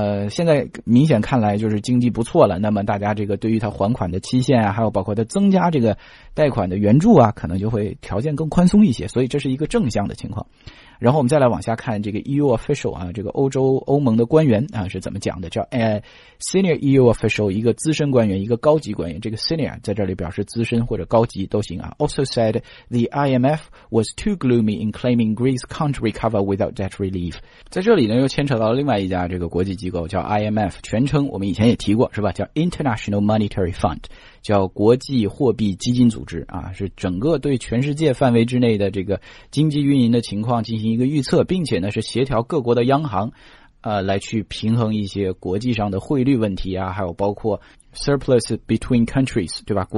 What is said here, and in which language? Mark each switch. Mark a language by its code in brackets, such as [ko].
[zh] 现在明显看来就是经济不错了，那么大家这个对于它还款的期限啊，还有包括它增加这个贷款的援助啊，可能就会条件更宽松一些，所以这是一个正向的情况。然后我们再来往下看这个 EU official 啊，这个欧洲欧盟的官员啊是怎么讲的，叫 [en] senior EU official， [zh] 一个资深官员，一个高级官员，这个 senior 在这里表示资深或者高级都行啊。 [en] Also said the IMF was too gloomy in claiming Greece can't recover without debt relief。 [zh] 在这里呢又牵扯到了另外一家这个国际机构叫 IMF， 全称我们以前也提过，是吧？叫 International Monetary Fund， 叫国际货币基金组织啊，是整个对全世界范围之内的这个经济运营的情况进行一个预测，并且呢是协调各国的央行来去平衡一些国际上的汇率问题啊，还有包括 [en] surplus between countries， [zh] 对吧？